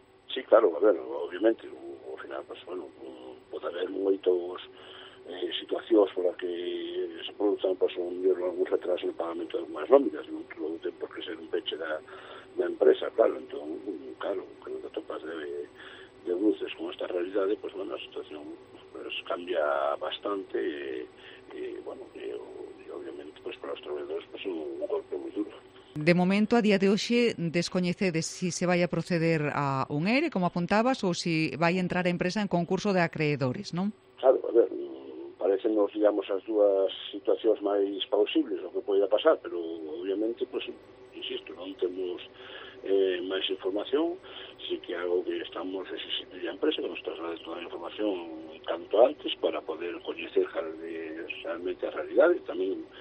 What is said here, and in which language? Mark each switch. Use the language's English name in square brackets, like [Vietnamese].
[Galician] Sí, claro, a ver, obviamente, o final, pues, bueno, pode haber moitos situacións por as que se produzan, pues, algún retraso no pagamento de algunhas nóminas, non todo o tempo que ser un peche da empresa, claro, entón, claro, que non te topas de luz [Spanish] entonces con esta realidad, pues bueno, la situación pues cambia bastante y obviamente pues para los trabajadores pues un golpe muy duro. [Galician] De momento, a día de hoxe, descoñece de si se vai a proceder a un ERE, como apuntabas, ou si vai a entrar a empresa en concurso de acreedores, non? Claro, a ver, parecen, digamos, as dúas situacións máis plausibles, o que poida pasar, pero, obviamente, pues, insisto, non temos máis información, si que algo que estamos necesitando de empresa, que nos traslade toda a información tanto antes para poder coñecer realmente a realidade, tamén